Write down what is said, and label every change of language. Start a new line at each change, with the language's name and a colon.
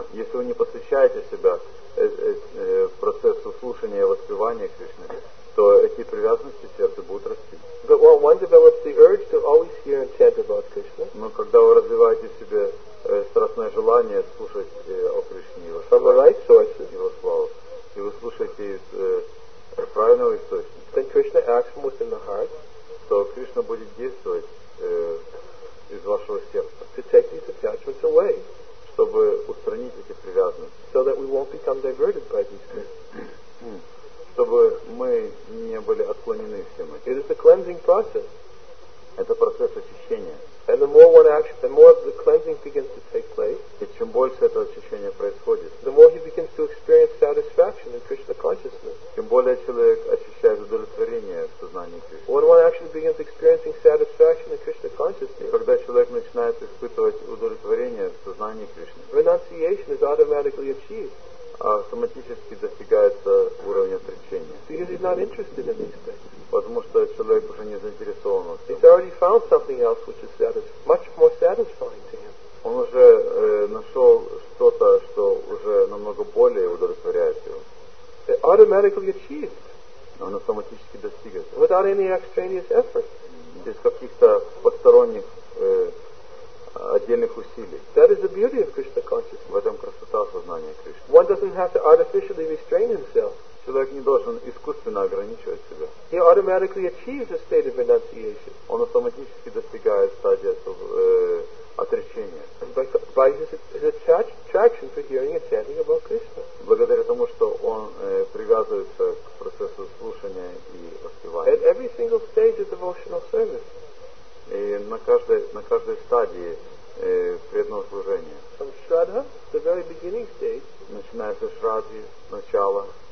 Russian: Если вы не посвящаете себя процессу слушания и воспевания Кришны, то эти привязанности сердца будут расти.
English: But while one develops the urge to always hear and chant about Krishna,
Russian: но когда вы развиваете в себе страстное желание слушать о Кришне, его
English: from the right sources,
Russian: его слова, и вы слушаете из правильного источника,
English: then Krishna acts from within the heart,
Russian: то Кришна будет действовать из вашего сердца,
English: to take these attachments away,
Russian: чтобы устранить эти привязанности,
English: so that we won't become diverted by these things.
Russian: Чтобы мы не были отклонены всем этим.
English: It is a cleansing process.
Russian: Это процесс очищения.
English: And the more one action, the more the cleansing begins to take place.
Russian: И чем больше это очищение происходит,
English: the more he begins to experience satisfaction in Krishna consciousness.
Russian: Тем более человек ощущает удовлетворение в сознании Кришны.
English: When one actually begins experiencing satisfaction in Krishna consciousness,
Russian: когда человек начинает испытывать удовлетворение в сознании Кришны,
English: renunciation is automatically achieved.
Russian: Автоматически достигается уровень отречения.
English: Because he's not interested in these things.
Russian: Потому что человек уже не заинтересован в этом.
English: He's already found something else which is much more satisfying to him.
Russian: Он уже нашел что-то, что уже намного более удовлетворяет его.
English: It automatically achieved.
Russian: Он автоматически достигается.
English: Without any extraneous effort.
Russian: Без каких-то посторонних отдельных усилий.
English: That is the beauty of Krishna consciousness.
Russian: В этом красота сознания Кришны.
English: One doesn't have to artificially restrain himself.
Russian: Человек не должен искусственно ограничивать себя.
English: He automatically achieves a state of renunciation.
Russian: Он автоматически достигает стадии отречения.
English: By his attraction for hearing and chanting about Krishna.
Russian: Благодаря тому, что он привязывается к процессу слушания и воспевания.
English: At every single stage of devotional service.
Russian: И на каждой стадии преданного служения.
English: From Shraddha, the very beginning stage,
Russian: начиная со Шрадхи, начала,